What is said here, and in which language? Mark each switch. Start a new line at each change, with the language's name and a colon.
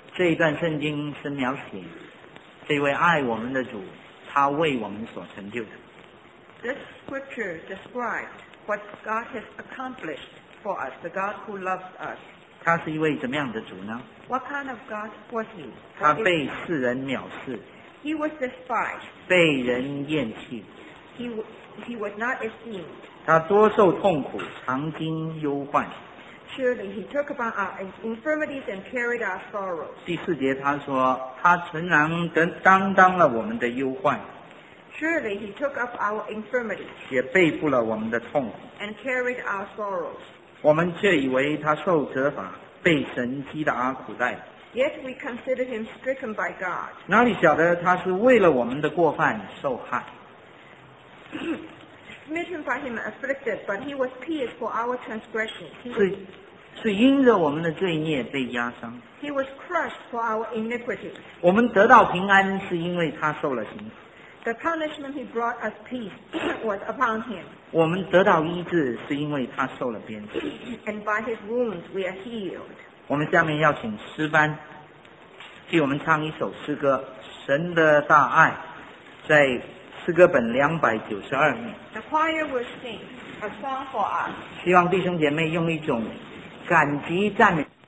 Chinese: 这一段圣经是描写这位爱我们的主，他为我们所成就的。
English: This scripture describes what God has accomplished for us, the God who loves us.
Chinese: 他是一位怎么样的主呢？
English: What kind of God was he?
Chinese: 他被世人藐视。
English: He was despised.
Chinese: 被人厌弃。
English: He was not esteemed.
Chinese: 他多受痛苦，常经忧患。
English: Surely he took upon our infirmities and carried our sorrows.
Chinese: 第四节他说，他诚然担当了我们的忧患。
English: Surely he took up our infirmities.
Chinese: 也背负了我们的痛苦。
English: And carried our sorrows.
Chinese: 我们却以为他受责罚，被神击打苦待。
English: Yet we consider him stricken by God.
Chinese: 哪里晓得他是为了我们的过犯受害。
English: Smitten by him afflicted, but he was pierced for our transgression.
Chinese: 是因着我们的罪孽被压伤。
English: He was crushed for our iniquity.
Chinese: 我们得到平安是因为他受了刑。
English: The punishment he brought us peace was upon him.
Chinese: 我们得到医治是因为他受了鞭子。
English: And by his wounds we are healed.
Chinese: 我们下面要请诗班替我们唱一首诗歌，神的大爱，在诗歌本两百九十二面。
English: The choir will sing a song for us.
Chinese: 希望弟兄姐妹用一种感激赞美。